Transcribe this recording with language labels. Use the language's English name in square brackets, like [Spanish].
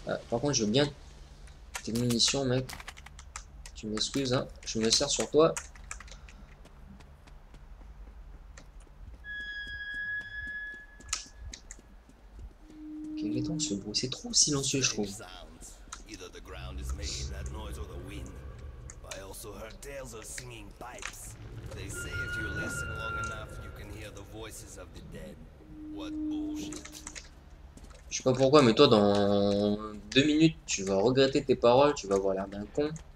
[French] Par contre je veux bien tes munitions mec. Tu m'excuses, hein, je me sers sur toi. Quel est donc ce bruit? C'est trop silencieux, je trouve. [English] Either the ground is making that noise or the wind. I also heard tales of singing pipes. They say if you listen long enough, you can hear the voices of the dead. What bullshit. [French] Je sais pas pourquoi, mais toi, dans 2 minutes, tu vas regretter tes paroles, tu vas avoir l'air d'un con.